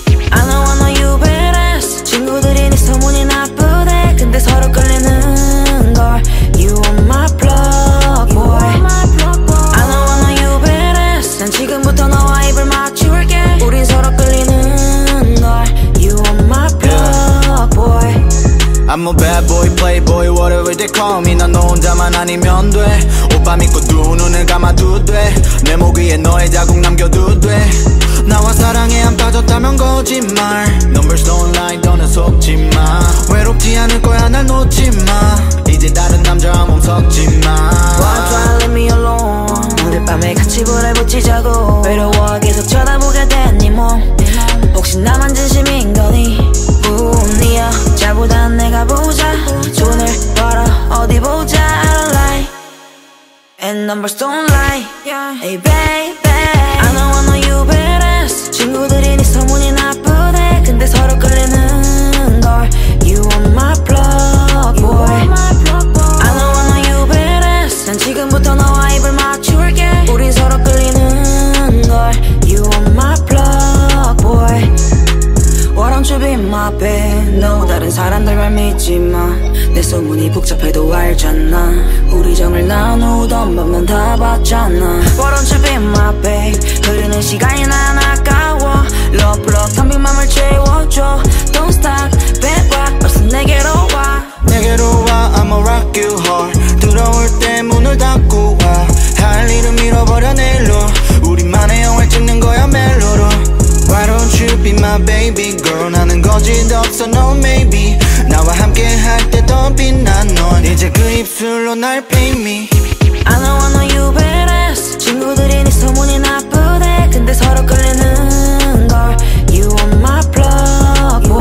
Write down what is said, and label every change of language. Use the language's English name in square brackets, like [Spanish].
[English] I know I know you badass. [Korean] 친구들이 네 소문이 나쁘대. 근데 서로 끌리는 걸. [English] You on my block, boy. You on my block, boy. I know I know you badass. [Korean] 난 지금부터 너와 입을 맞출게. 우린 서로 끌리는 걸. [English] You on my block, boy. I'm a bad boy, playboy, whatever they call me. [Korean] 난 너 혼자만 아니면 돼. 오빠 믿고 두 눈을 감아도 돼. 내 목 위에 너의 자국 남겨도 돼. 나와 사랑에 안 빠졌다면 거짓말. [English] Numbers don't lie, [Korean] 너는 속지 마. 외롭지 않을 거야, 날 놓지 마. 이제 다른 남자 한 몸 섞지 마. [English] Why try leave me alone? [Korean] 오늘 밤에 같이 불을 붙이자고. 외로워 계속 쳐다보게 된 네 몸. 혹시 나만 진심인 거니? 니야 자보다 내가 보자. 돈을 벌어 어디 보자. [English] I don't lie and numbers don't lie. Hey baby, I know I know you badass. [Korean] 친구들이 네 소문이 나쁘대. 근데 서로 끌리는 걸. [English] You on my block, boy. You on my block, boy. I know I know you badass. [Korean] 난 지금부터 너와 입을 맞출게. 우린 서로 끌리는 걸. [English] You on my block, boy. Why don't you be my babe? [Korean] No, 다른 사람들 말 믿지 마. 내 소문이 복잡해도 알잖아. 우리 정을 나누던 밤 난 다 봤잖아. [English] Why don't you be my babe? [Korean] 흐르는 시간이 난 아까워. Love, love, 텅 빈 맘을 채워줘. [English] Don't stop, bad rock, [Korean] 벌써 내게로 와. 내게로 와, [English] I'ma rock you hard. [Korean] 들어올 때 문을 닫고 와. 할 일은 밀어버려 내일로. 우리만의 영화 찍는 거야 멜로로. [English] Why don't you be my baby girl? [Korean] 나는 거짓 없어, [English] no maybe. [Korean] 나와 함께 할 때 더 빛나 넌. 이제 그 입술로 날 [English] play me. I know I know you badass. [Korean] 친구들이 네 소문이 나쁘대. 근데 서로 끌리는 걸. [English] You on my block, boy.